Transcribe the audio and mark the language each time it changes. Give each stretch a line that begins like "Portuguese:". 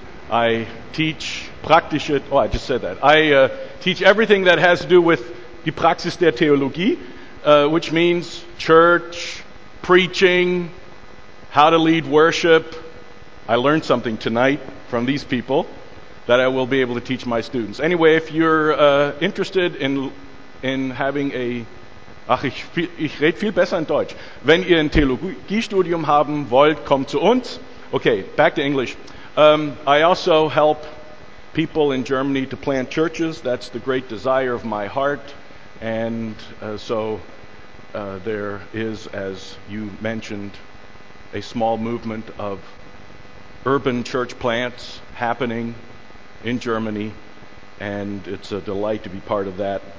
English: I teach praktische, oh, I just said that. I teach everything that has to do with
German: die Praxis der Theologie,
English: which means church, preaching, how to lead worship. I learned something tonight from these people that I will be able to teach my students. Anyway, if you're interested in having a...
German: Ach, ich rede viel besser in Deutsch. Wenn ihr ein Theologiestudium haben wollt, kommt zu uns.
English: Okay, back to English. I also help people in Germany to plant churches. That's the great desire of my heart. And so there is, as you mentioned, a small movement of urban church plants happening in Germany, and it's a delight to be part of that.